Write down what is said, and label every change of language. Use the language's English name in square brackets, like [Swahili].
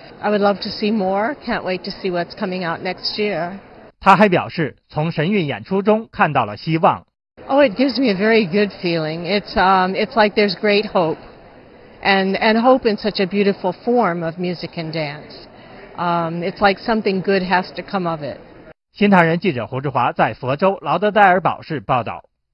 [English] I would love to see more. Can't wait to see what's coming out next year. [Chinese] 他还表示，从神韵演出中看到了希望。 [English] Oh, it gives me a very good feeling. It's like there's great hope, and hope in such a beautiful form of music and dance. It's like something good has to come of it. [Chinese] 新唐人记者胡志华在佛州劳德代尔堡市报道。